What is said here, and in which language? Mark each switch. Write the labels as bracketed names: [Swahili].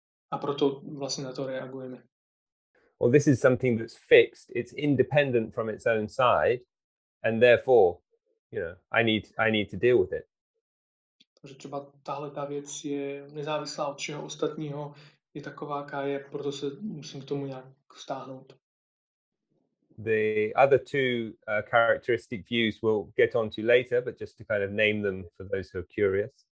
[Czech] A proto vlastně na to reagujeme. [English] Well, this is something that's fixed. It's independent from its own side. And therefore, you know, I need to deal with it. [Czech] Takže třeba tahle ta věc je nezávislá od čeho ostatního, je taková, jaká je, proto se musím k tomu nějak stáhnout. [English] The other two characteristic views we'll get onto later, but just to kind of name them for those who are curious.